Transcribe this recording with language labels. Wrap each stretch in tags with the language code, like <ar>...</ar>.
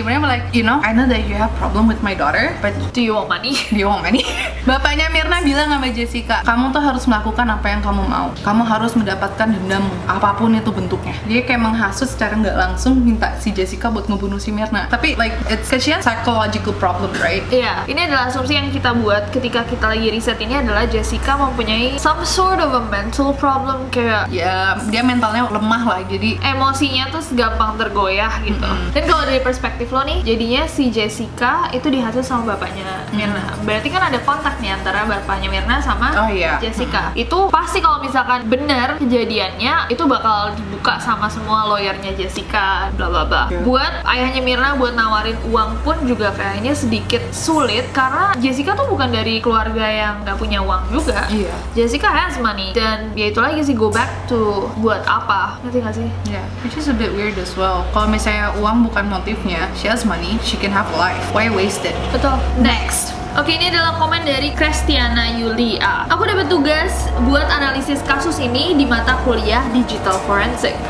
<id>Sebenarnya</id> <en>like, you know, I know that you have problem with my daughter, but do you want money? Do you want money?</en> <id>Bapaknya Mirna bilang sama Jessica, kamu tuh harus melakukan apa yang kamu mau, kamu harus mendapatkan dendam apapun itu bentuknya. Dia kayak menghasut secara nggak langsung minta si Jessica buat ngebunuh si Mirna. Tapi</id> <en>like it's</en> <id>kasihan,</id> <en>psychological problem, right?</en> <id>Iya, yeah. Ini adalah asumsi yang kita buat ketika kita lagi riset ini adalah Jessica mempunyai</id> <en>some sort of a mental problem,</en> <id>kayak ya yeah, dia mentalnya lemah lah, jadi emosinya tuh gampang tergoyah gitu. Mm-hmm. Dan kalau dari perspektif lo nih, jadinya si Jessica itu dihasut sama bapaknya Mirna. Mm-hmm. Berarti kan ada kontak nih antara bapaknya Mirna sama Jessica. Mm-hmm. Itu pasti kalau misalkan benar kejadiannya, itu bakal dibuka sama semua lawyernya Jessica, bla bla bla. Yeah. Buat ayahnya Mirna buat nawarin uang pun juga kayaknya sedikit sulit, karena Jessica tuh bukan dari keluarga yang gak punya uang juga.</id> <en>Yeah. Jessica has money,</en> <id>dan ya itu lagi sih,</id> <en>go back to</en> <id>buat apa, ngerti gak sih?</id> <en>Yeah, which is a bit weird as well.</en> <id>Kalau misalnya uang bukan motifnya,</id> <en>she has money, she can have life, why waste it?</en> <id>Betul. Next. Oke, ini adalah komen dari Christiana Yulia. Aku dapat tugas buat analisis kasus ini di mata kuliah Digital Forensic.</id>